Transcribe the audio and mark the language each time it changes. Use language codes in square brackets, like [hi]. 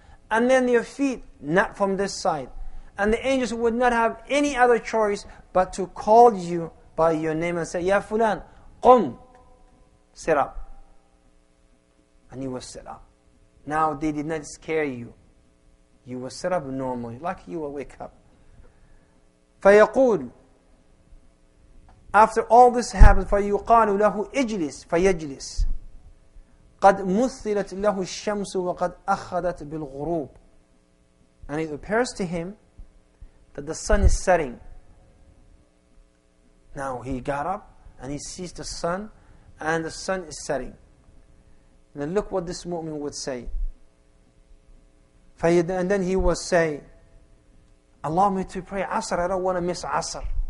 [en] And then your feet, not from this side. And the angels would not have any other choice but to call you by your name and say, [ar] Ya Fulan, qum, [en] sit up. And you will sit up. Now they did not scare you. You will sit up normally, like you will wake up. [ar] فيقول, [en] after all this happens, [ar] فيقال له اجلس فيجلس قد مثلت له الشمس وقد أخذت بالغروب. [en] And it appears to him that the sun is setting. Now he got up and he sees the sun, and the sun is setting. And then look what this mu'min would say. And then he would say, allow me to pray Asr, I don't want to miss Asr.